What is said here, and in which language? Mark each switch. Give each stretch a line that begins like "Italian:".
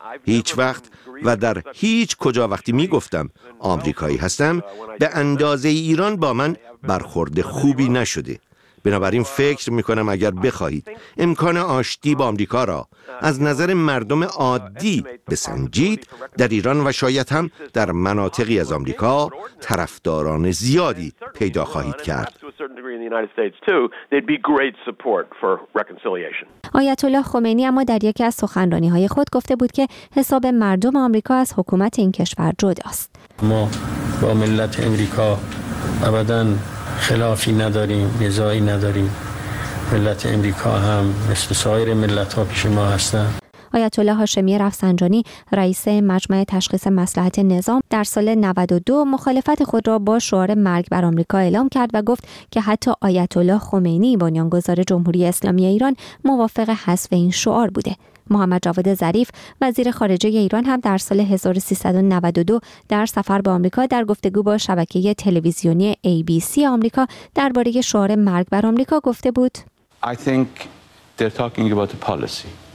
Persian: هیچ وقت و در هیچ کجا وقتی می گفتم آمریکایی هستم، به اندازه ایران با من برخورد خوبی نشده. بنابراین فکر می کنم اگر بخواهید امکان آشتی با آمریکا را از نظر مردم عادی بسنجید، در ایران و شاید هم در مناطقی از آمریکا طرفداران زیادی پیدا خواهید کرد.
English: United States too, they'd be great support for reconciliation.
Persian: آیت الله خمینی اما در یکی از سخنرانی‌های خود گفته بود که حساب مردم آمریکا از حکومت این کشور جداست. ما با ملت آمریکا ابداً خلافی نداریم، نزاعی نداریم. ملت آمریکا هم مثل سایر ملت‌ها پیش ما هستند. آیت الله هاشمی رفسنجانی رئیس مجمع تشخیص مصلحت نظام در سال 92 مخالفت خود را با شعار مرگ بر آمریکا اعلام کرد و گفت که حتی آیت الله خمینی بنیانگذار جمهوری اسلامی ایران موافق حذف این شعار بوده. محمد جواد ظریف وزیر خارجه ایران هم در سال 1392 در سفر به آمریکا در گفتگو با شبکه تلویزیونی ABC آمریکا درباره شعار مرگ بر آمریکا گفته بود:
English: I think they're talking about the policy.